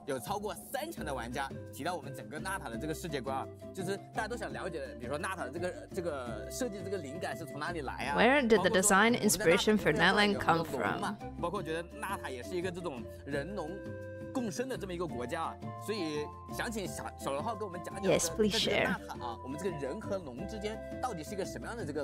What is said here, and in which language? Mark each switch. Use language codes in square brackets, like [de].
[zh] 有超过三成的玩家提到我们整个纳塔的这个世界观，就是大家都想了解，比如说纳塔的这个设计这个灵感是从哪里来啊？ [en] Where did the design inspiration for Natland come from? [zh] 包括觉得纳塔也是一个这种人龙共生的这么一个国家，所以想请小龙号跟我们讲讲。 [en] Yes, please share. [zh] 我们这个人和龙之间到底是一个什么样的这个